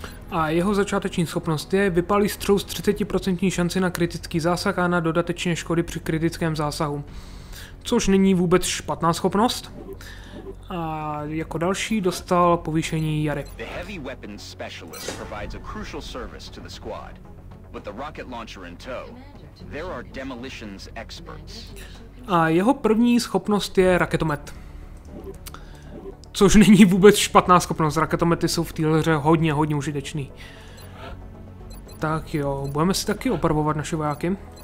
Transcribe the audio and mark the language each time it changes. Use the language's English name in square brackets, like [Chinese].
[Czech] A jeho začáteční schopnost je vypálí střelu s 30% šanci na kritický zásah a na dodatečné škody při kritickém zásahu. Což není vůbec špatná schopnost. A jako další dostal povýšení Jary. [English] The heavy weapons specialist provides a crucial service to the squad. With the rocket launcher in tow, there are demolitions experts. [Czech] A jeho první schopnost je raketomet. Což není vůbec špatná schopnost, raketomety jsou v téhle hře hodně, hodně užitečný. Tak jo, budeme si taky opravovat naše vojáky.